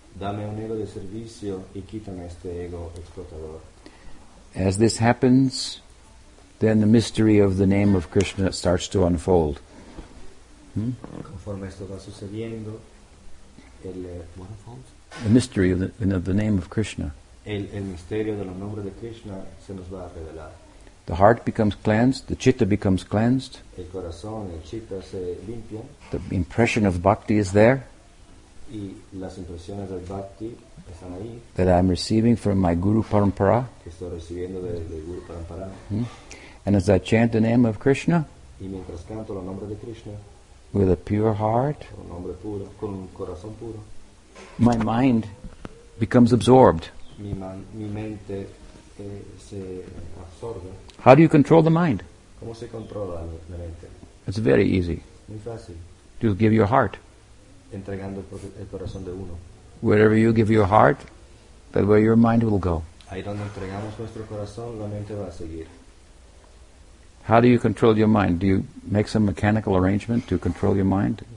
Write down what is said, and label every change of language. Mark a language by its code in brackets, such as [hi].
[es] Dame un ego de servicio y quítame este ego explotador. [en] As this happens, then the mystery of the name of Krishna starts to unfold. [es] Conforme esto va sucediendo, el [en] the mystery of the name of Krishna. [es] El misterio del nombre de Krishna se nos va a revelar. [en] The heart becomes cleansed, the chitta becomes cleansed. [es] El corazón, el chitta se limpia. [en] The impression of bhakti is there. [es] Y las impresiones del bhakti están ahí. [en] That I'm receiving from my guru parampara. [es] Que estoy recibiendo de guru parampara. [en] And as I chant the name of Krishna, [es] y mientras canto el nombre de Krishna, [en] with a pure heart, [es] con un nombre puro, con un corazón puro, [en] my mind becomes absorbed. [es] Mi mente se absorbe. [en] How do you control the mind? [es] ¿Cómo se controla la mente? [en] It's very easy. [es] Muy fácil. [en] You give your heart. [es] Entregando el corazón de uno. [en] Wherever you give your heart, that way your mind will go. [es] Ahí donde entregamos nuestro corazón, la mente va a seguir. [en] How do you control your mind? Do you make some mechanical arrangement to control your mind?